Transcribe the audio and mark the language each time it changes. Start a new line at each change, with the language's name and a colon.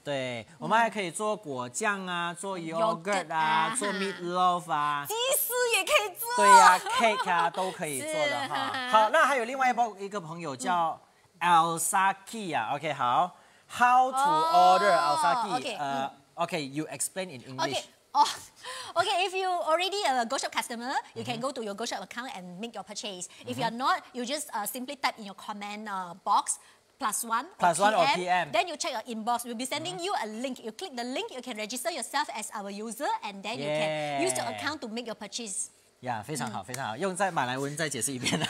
Chinese: 对，我们还可以做果酱啊，做 yogurt 啊，做 meatloaf 啊，鸡丝也可以做。对啊 cake 啊都可以做的哈。好，那还有另外一个朋友叫 Alsaki 啊 ，OK， 好 ，
English: How to order Alsaki？ Okay, you explain in English. Okay, if you already a GoShop customer, you can go to your GoShop account and make your purchase. If you are not, you just simply type in your comment box +1 or PM. Then you check your inbox. We'll be sending you a link. You click the link, you can register yourself as our user, and then you can use your account to make your purchase. Yeah,
Chinese: 非常好，非常好。用在马来文再解释一遍呢。